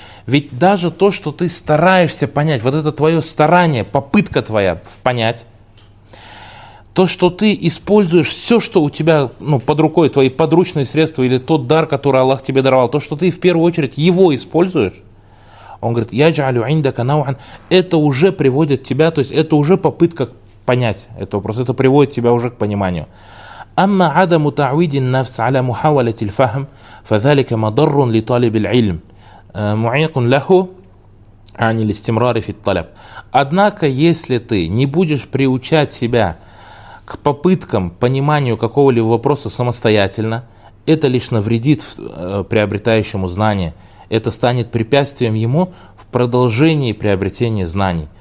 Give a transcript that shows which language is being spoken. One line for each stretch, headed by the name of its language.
Russian: Ведь даже то, что ты стараешься понять, вот это твое старание, попытка твоя понять, то, что ты используешь все, что у тебя под рукой, твои подручные средства или тот дар, который Аллах тебе даровал, то, что ты в первую очередь его используешь, он говорит,
Arabic: яджалю индака науан,
Russian: это уже приводит тебя, то есть это уже попытка понять этот вопрос, это приводит тебя уже к пониманию.
Arabic: أما عدم تعويد النفس على محاولة الفهم فذلك مضر لطالب العلم معيق له عن الاستمرار في الطلب.
Russian: Однако, если ты не будешь приучать себя к попыткам пониманию какого-либо вопроса самостоятельно, это лишь навредит приобретающему знание. Это станет препятствием ему в продолжении приобретения знаний.